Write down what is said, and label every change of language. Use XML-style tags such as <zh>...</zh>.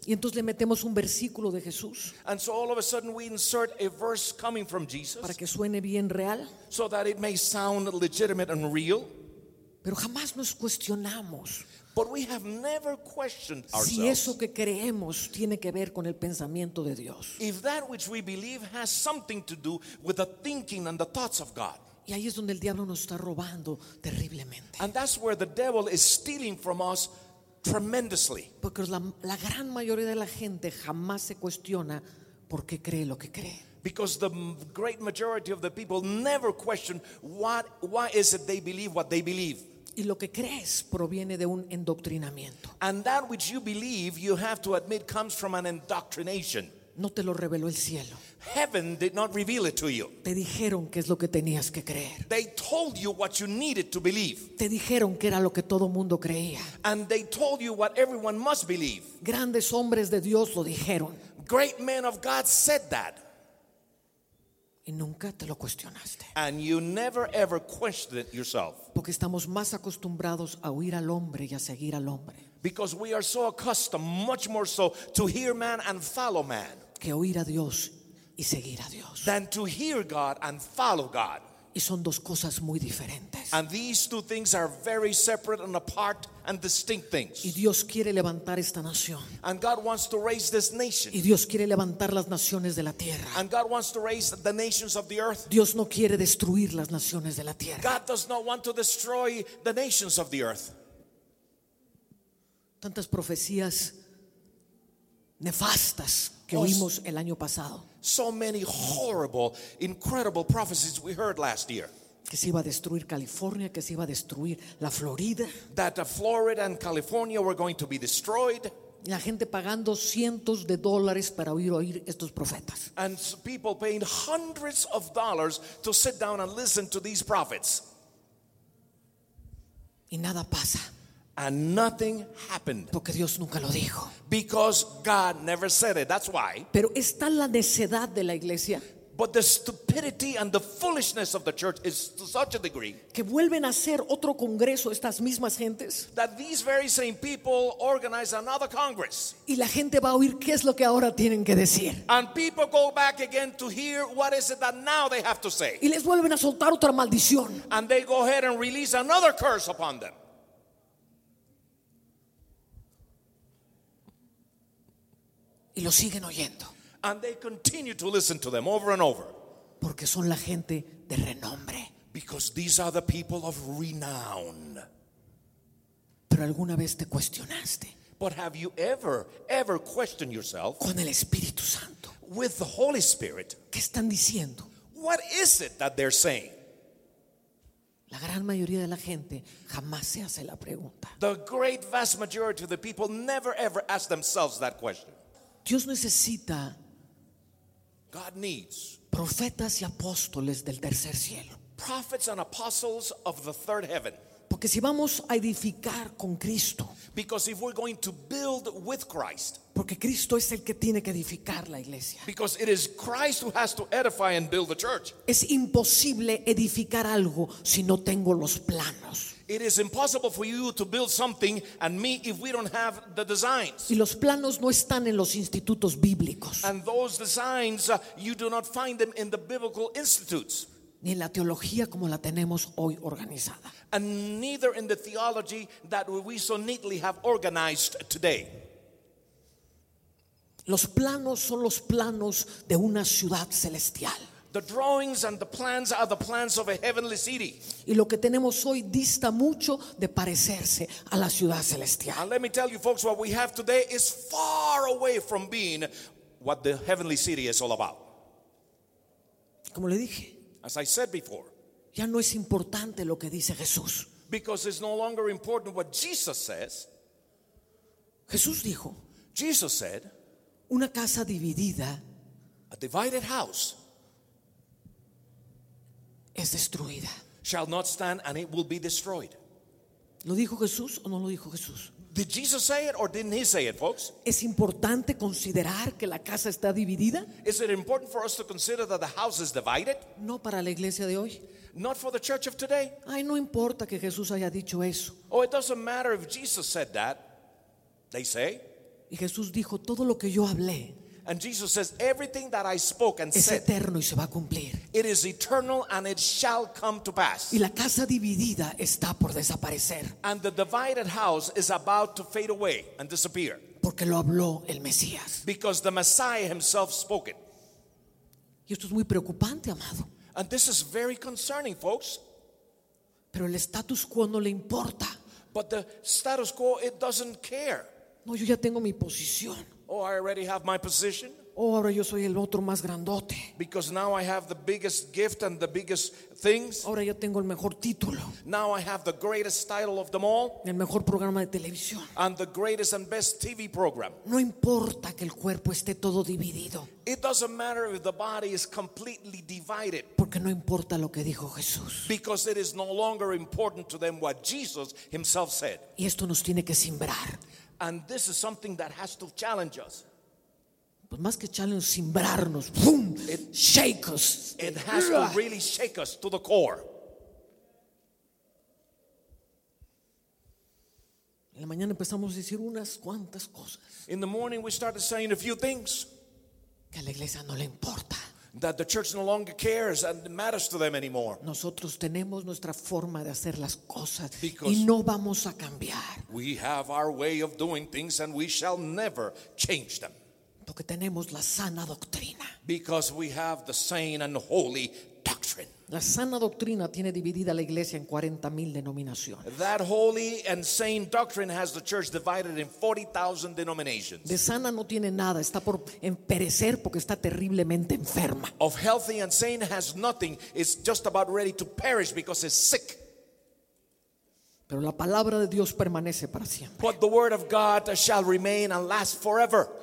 <es>Y entonces le metemos un versículo de Jesús.</es> <en>And so all of a sudden we insert a verse coming from Jesus.</en> <es>Para que suene bien real.</es> <en>So that it may sound legitimate and real.</en> <es>Pero jamás nos cuestionamos.</es> <en>But we have never questioned ourselves.</en> <es>Si eso que creemos tiene que ver con el pensamiento de Dios.</es> <en>If that which we believe has something to do with the thinking and the thoughts of God.</en> <es>Y ahí es donde el diablo nos está robando terriblemente.</es> <en>And that's where the devil is stealing from us tremendously.</en> <es>Porque la gran mayoría de la gente jamás se cuestiona por qué cree lo que cree.</es> <en>Because the great majority of the people never question why is it they believe what they believe.</en> <es>Y lo que crees proviene de un endoctrinamiento.</es> <en>And that which you believe, you have to admit, comes from an indoctrination.</en> <es>No te lo reveló el cielo.</es> <en>Heaven did not reveal it to you.</en> <es>Te dijeron qué es lo que tenías que creer.</es> <en>They told you what you needed to believe.</en> <es>Te dijeron que era lo que todo mundo creía.</es> <en>And they told you what everyone must believe.</en> <es>Grandes hombres de Dios lo dijeron.</es> <en>Great men of God said that.</en> <es>Y nunca te lo cuestionaste.</es> <en>And you never ever questioned it yourself.</en> <es>Porque estamos más acostumbrados a oír al hombre y a seguir al hombre.</es> <en>Because we are so accustomed, much more so, to hear man and follow man.</en> <es>Que oír a Dios y seguir a Dios.</es> <en>Than to hear God and follow God.</en> <es>Y son dos cosas muy diferentes.</es> <en>And these two things are very separate and apart and distinct things.</en> <es>Y Dios quiere levantar esta nación.</es> <en>And God wants to raise this nation.</en> <es>Y Dios quiere levantar las naciones de la tierra.</es> <en>And God wants to raise the nations of the earth.</en> <es>Dios no quiere destruir las naciones de la tierra.</es> <en>God does not want to destroy the nations of the earth.</en> <es>Tantas profecías nefastas que oímos el año pasado.</es> <en>So many horrible, incredible prophecies we heard last year.</en> <es>Que se iba a destruir California, que se iba a destruir la Florida.</es> <en>That Florida and California were going to be destroyed.</en> <es>La gente pagando cientos de dólares para oír estos profetas.</es> <en>And people paying hundreds of dollars to sit down and listen to these prophets.</en> <es>Y nada pasa.</es> <en>And nothing happened.</en> <es>Porque Dios nunca lo dijo.</es> <en>Because God never said it. That's why.</en> <es>Pero está la necedad de la iglesia.</es> <en>But the stupidity and the foolishness of the church is to such a degree.</en> <es>Que vuelven a hacer otro congreso estas mismas gentes.</es> <en>That these very same people organize another congress.</en> <es>Y la gente va a oír qué es lo que ahora tienen que decir.</es> <en>And people go back again to hear what is it that now they have to say.</en> <es>Y les vuelven a soltar otra maldición.</es> <en>And they go ahead and release another curse upon them.</en> <es>Y lo siguen oyendo.</es> <en>And they continue to listen to them over and over.</en> <es>Porque son la gente de renombre.</es> <en>Because these are the people of renown.</en> <es>Pero alguna vez te cuestionaste.</es> <en>But have you ever questioned yourself?</en> <es>Con el Espíritu Santo.</es> <en>With the Holy Spirit.</en> <es>¿Qué están diciendo?</es> <en>What is it that they're saying?</en> <es>La gran mayoría de la gente jamás se hace la pregunta.</es> <en>The great vast majority of the people never ever ask themselves that question.</en> <es>Dios necesita</es> <en>God needs</en> <es>profetas y apóstoles del tercer cielo.</es> <en>Prophets and apostles of the third heaven.</en> <es>Porque si vamos a edificar con Cristo.</es> <en>Because if we're going to build with Christ.</en> <es>Porque Cristo es el que tiene que edificar la iglesia.</es> <en>Because it is Christ who has to edify and build the church.</en> <es>Es imposible edificar algo si no tengo los planos.</es> <en>It is impossible for you to build something and me if we don't have the designs.</en> <es>Y los planos no están en los institutos bíblicos.</es> <en>And those designs, you do not find them in the biblical institutes.</en> <es>Ni en la teología como la tenemos hoy organizada.</es> <en>And neither in the theology that we so neatly have organized today.</en> <es>Los planos son los planos de una ciudad celestial.</es> <en>The drawings and the plans are the plans of a heavenly city.</en> <es>Y lo que tenemos hoy dista mucho de parecerse a la ciudad celestial.</es> <en>And let me tell you folks, what we have today is far away from being what the heavenly city is all about.</en> <es>Como le dije,</es> <en>as I said before,</en> <es>ya no es importante lo que dice Jesús.</es> <en>Because it's no longer important what Jesus says.</en> <es>Jesús dijo,</es> <en>Jesus said,</en> <es>una casa dividida,</es> <en>a divided house,</en> <es>es destruida.</es> <en>Shall not stand and it will be destroyed.</en> <es>¿Lo dijo Jesús o no lo dijo Jesús?</es> <en>Did Jesus say it or didn't he say it, folks?</en> <es>¿Es importante considerar que la casa está dividida?</es> <en>Is it important for us to consider that the house is divided?</en> <es>No para la iglesia de hoy.</es> <en>Not for the church of today.</en> <es>Ay, no importa que Jesús haya dicho eso.</es> <en>Oh, it doesn't matter if Jesus said that, they say.</en> <es>Y Jesús dijo, todo lo que yo hablé.</es> <en>And Jesus says, everything that I spoke and</en> <es>es</es> <en>said,</en> <es>eterno y se va a cumplir.</es> <en>It is eternal and it shall come to pass.</en> <es>Y la casa dividida está por desaparecer.</es> <en>And the divided house is about to fade away and disappear.</en> <es>Porque lo habló el Mesías.</es> <en>Because the Messiah himself spoke it.</en> <es>Y esto es muy preocupante, amado.</es> <en>And this is very concerning, folks.</en> <es>Pero el status quo no le importa.</es> <en>But the status quo, it doesn't care.</en> <es>No, yo ya tengo mi posición.</es> <en>Oh, I already have my position.</en> <es>Oh, ahora yo soy el otro más grandote.</es> <en>Because now I have the biggest gift and the biggest things.</en> <es>Ahora yo tengo el mejor título.</es> <en>Now I have the greatest title of them all.</en> <es>El mejor programa de televisión.</es> <en>And the greatest and best TV program.</en> <es>No importa que el cuerpo esté todo dividido.</es> <en>It doesn't matter if the body is completely divided.</en> <es>Porque no importa lo que dijo Jesús.</es> <en>Because it is no longer important to them what Jesus himself said.</en> <es>Y esto nos tiene que cimbrar.</es> <en>And this is something that has to challenge us.</en> <es>Pues más que</es> <en>challenge,</en> <es>cimbrarnos, boom,</es> <en>it, shake us. It has to really shake us to the core.</en> <es>En la mañana empezamos a decir unas cuantas cosas.</es> <en>In the morning we started saying a few things.</en> <es>Que a la iglesia no le importa.</es> <en>That the church no longer cares and matters to them anymore.</en> <es>Nosotros tenemos nuestra forma de hacer las cosas y no vamos a cambiar.</es> <en>We have our way of doing things and we shall never change them.</en> <es>Porque tenemos la sana doctrina.</es> <en>Because we have the sane and holy doctrine.</en> <es>La sana doctrina tiene dividida la iglesia en 40,000 denominaciones.</es> <en>That holy and sane doctrine has the church divided in 40,000 denominations.</en> <es>De sana no tiene nada, está por perecer porque está terriblemente enferma.</es> <en>Of healthy and sane has nothing, it's just about ready to perish because it's sick.</en> <es>Pero la palabra de Dios permanece para siempre.</es> <en>But the word of God shall remain and last forever.</en>